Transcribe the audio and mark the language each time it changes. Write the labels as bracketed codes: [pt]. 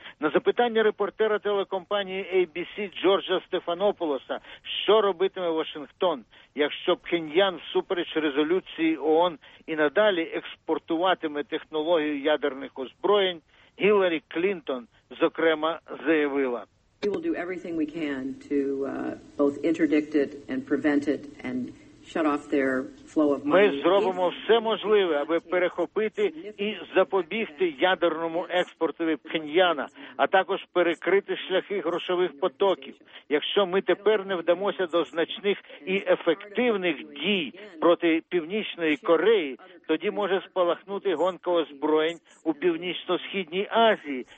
[uk] На запитання репортера телекомпанії ABC Джорджа Стефанополоса, що робитиме Вашингтон, якщо Пхеньян всупереч резолюції ООН і надалі експортуватиме технологію ядерних озброєнь, Гіларі Клінтон, зокрема, заявила: [en] We will do everything we can to both interdict it and prevent it and shut off their flow of money. [uk] Ми зробимо все можливе, аби перехопити і запобігти ядерному експортові Пхеньяна, а також перекрити шляхи грошових потоків. Якщо ми тепер не вдамося до значних і ефективних дій проти Північної Кореї, тоді може спалахнути гонка озброєнь у Північно-Східній Азії.